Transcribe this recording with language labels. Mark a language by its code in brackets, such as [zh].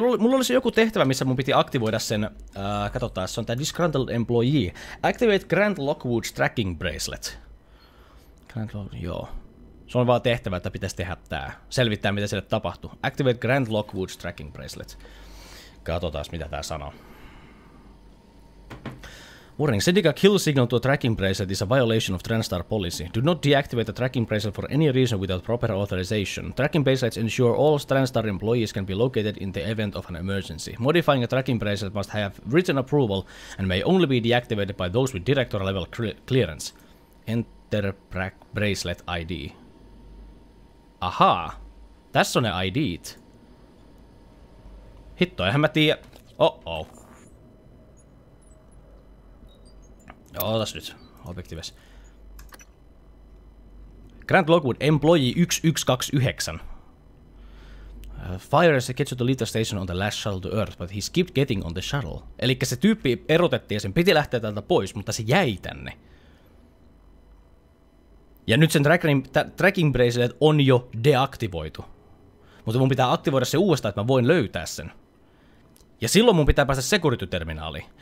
[fi] Mulla olisi joku tehtävä, missä mun piti aktivoida sen... katsotaas, se on tää [en] disgruntled employee. Activate Grant Lockwood's tracking bracelet. Grant Lockwood, joo. [fi] Se on vaan tehtävä, että pitäisi tehdä tää. Selvittää, mitä sille tapahtuu. [en] Activate Grant Lockwood's tracking bracelet. [fi] Katsotaas, mitä tää sanoo. [en] Warning, sending a kill signal to a tracking bracelet is a violation of Transtar policy. Do not deactivate the tracking bracelet for any reason without proper authorization. Tracking bracelets ensure all Transtar employees can be located in the event of an emergency. Modifying a tracking bracelet must have written approval and may only be deactivated by those with director level clearance. Enter bracelet ID. Aha! [fi] Tässä on ne ID:t. Hitto, eihän mä tiedä. Oh-oh. Ootas nyt, objektives. [en] Grant Lockwood, employee 1129. Fire is scheduled to leave the station on the last shuttle to Earth, but he skipped getting on the shuttle. [fi] Elikkä se tyyppi erotettiin ja sen piti lähteä täältä pois, mutta se jäi tänne. Ja nyt sen tracking bracelet on jo deaktivoitu. Mutta mun pitää aktivoida se uudestaan, että mä voin löytää sen. Ja silloin mun pitää päästä security-terminaaliin.